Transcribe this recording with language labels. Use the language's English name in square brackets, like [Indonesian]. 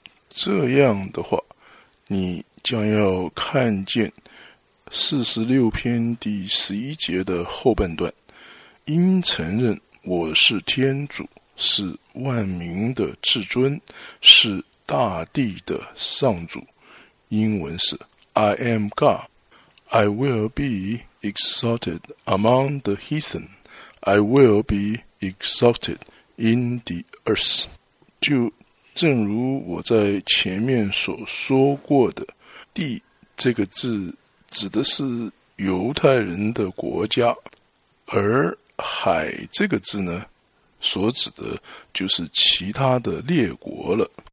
[Chinese] 这样的话你将要看见46篇第11节的后半段，应承认我是天主，是万民的至尊，是大地的上主，英文是 [English] I am God。 I will be exalted among the heathen, I will be exalted in the earth。 [Chinese] 就正如我在前面所说过的，地这个字指的是犹太人的国家，而海这个字呢，所指的就是其他的列国了。